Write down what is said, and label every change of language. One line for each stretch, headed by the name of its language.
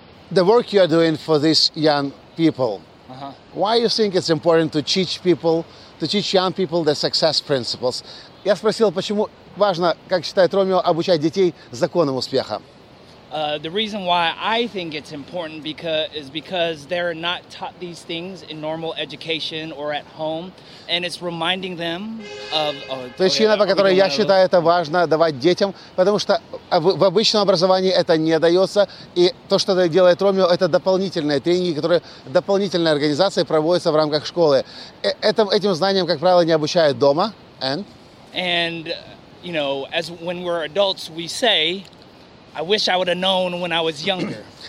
English: The work you are doing for this young people. Why you think it's important to teach people, to teach young people the success principles?
Russian: Я спросил, почему важно, как считает Ромео, обучать детей законам успеха.
English: The reason why I think it's important is because they're not taught these things in normal education or at home, and it's reminding them of.
Russian: Причина, по которой я считаю это важно давать детям, потому что в обычном образовании это не дается, и то, что делает Ромео, это дополнительные тренинги, которые дополнительной организацией проводятся в рамках школы. Этим знаниям, как правило, не обучают дома.
English: And you know, as when we're adults, we say. I wish I would have known when I was younger.